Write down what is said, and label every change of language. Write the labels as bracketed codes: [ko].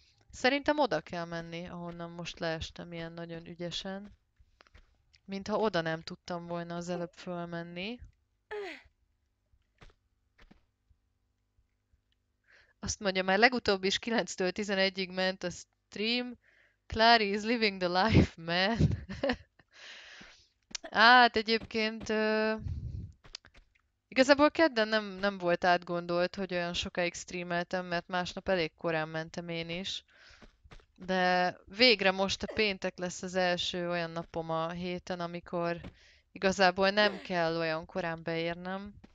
[hu] Szerintem oda kell menni, ahonnan most leestem ilyen nagyon ügyesen. Mintha oda nem tudtam volna az előbb fölmenni. Azt mondja, már legutóbb is 9-től 11-ig ment a stream. [en] Clary is living the life, man. [hu] Hát egyébként igazából kedden nem volt átgondolt, hogy olyan sokáig streameltem, mert másnap elég korán mentem én is. De végre most a péntek lesz az első olyan napom a héten, amikor igazából nem kell olyan korán beérnem.